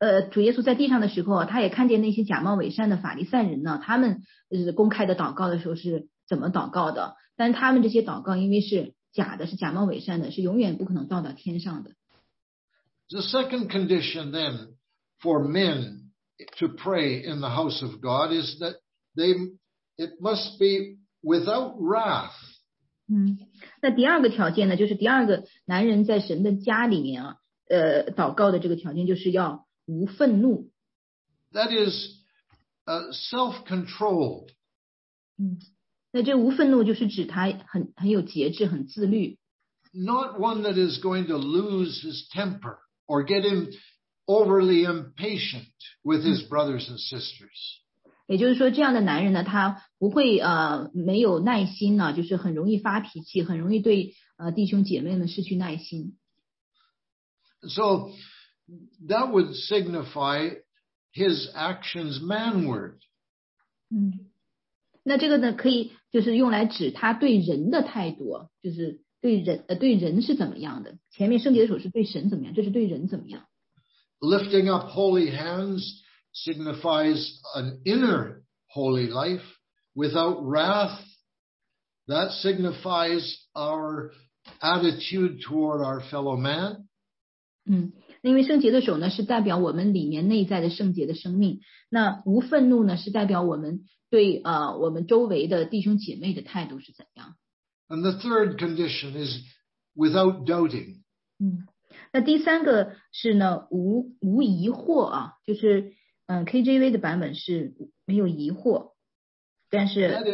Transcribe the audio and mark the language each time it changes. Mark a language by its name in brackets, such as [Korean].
[Chinese] 主耶稣在地上的时候，他也看见那些假冒伪善的法利赛人呢，他们公开的祷告的时候是怎么祷告的，但他们这些祷告因为是假的，是假冒伪善的，是永远不可能到达天上的。 [English] The second condition then for men to pray in the house of God is that it must be without wrath. [Chinese] 那第二个条件呢，就是第二个男人在神的家里面啊，祷告的这个条件就是要无愤怒。 [English] That is self-controlled. [Chinese] 那这无愤怒就是指他很有节制，很自律。 [English] Not one that is going to lose his temper or get him overly impatient with his brothers and sisters. [Chinese] 也就是说这样的男人呢，他不会没有耐心呢，就是很容易发脾气，很容易对弟兄姐妹们失去耐心。 [English] So that would signify his actions manward. [Chinese] 那这个呢可以就是用来指他对人的态度，就是对人是怎么样的，前面圣洁的手是对神怎么样，这是对人怎么样。 [English] Lifting up holy hands signifies an inner holy life without wrath. That signifies our attitude toward our fellow man. [Chinese] 因为圣洁的手呢是代表我们里面内在的圣洁的生命，那无愤怒呢是代表我们对我们周围的弟兄姐妹的态度是怎样。 [English] And the third condition is without doubting. [Chinese] 那第三个是呢 无疑惑啊，就是KJV 的版本是没有疑惑，但是